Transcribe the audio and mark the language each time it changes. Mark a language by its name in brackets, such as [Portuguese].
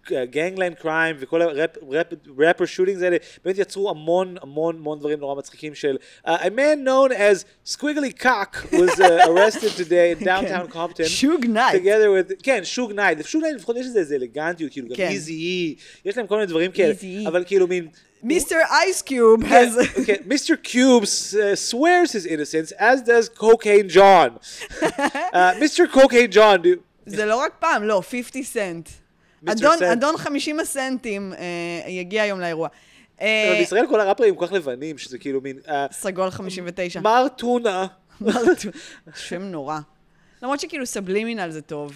[Hebrew] גנגליין קריים וכל הראפר שוטינג האלה באמת יצרו המון המון המון דברים נורא מצחיקים של [English] a man known as Squiggly Cock was arrested today in downtown Compton. [Hebrew] שוג נייט. [English] Together with, [Hebrew] כן, שוג נייט. שוג נייט לפחות יש איזה אלגנטיות, כאילו גם איזי-אי. יש להם כל מיני דברים כאלה. איזי-אי. אבל כאילו מין... [English] Mr. Ice Cube has... Okay, Mr. Cube swears his innocence as does Cocaine John. Mr. Cocaine John, dude. [Hebrew] זה לא רק פעם, לא, 50 Cent. אדון 50 הסנטים יגיע היום לאירוע. בישראל כל הראפרים כך לבנים, שזה כאילו מין... סגול 59. מר טונה. שם נורא. למרות שכאילו סבלימינל זה טוב.